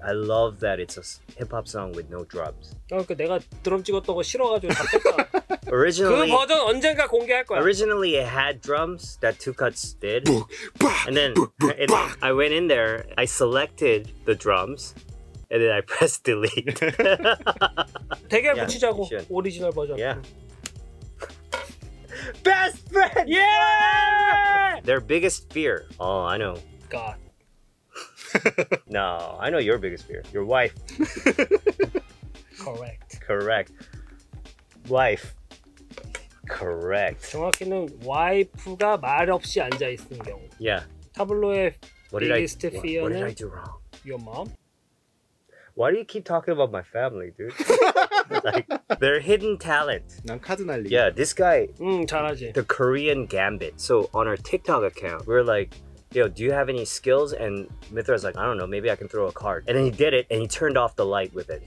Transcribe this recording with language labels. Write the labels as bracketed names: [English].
[English] I love that it's a hip-hop song with no drums. [Korean] 그러니까 내가 드럼 찍었던 거 싫어가지고 답답하다. [English] Originally, [Korean] 그 버전 언젠가 공개할 거야. [English] Originally it had drums that Tukutz did. And then I went in there, I selected the drums, and then I pressed delete. [Korean] 대결 붙이자고, 오리지널 버전. [English] Yeah. Best friend! Yeah! Their biggest fear. Oh, I know. God. No, I know your biggest fear. Your wife. Correct. Wife. Correct. [Korean] 정확히는 와이프가 말 없이 앉아 있는 경우. [English] Yeah. [Korean] 타블로의 [English] biggest fear는 What did I do wrong? Your mom? Why do you keep talking about my family, dude? Like, their hidden talent. [Korean] 난 카드 날리기. [English] Yeah, this guy. [Korean] 잘하지. [English] The Korean Gambit. So on our TikTok account, we're like, yo, do you have any skills? And Mithra's like, I don't know, maybe I can throw a card. And then he did it, and he turned off the light with it.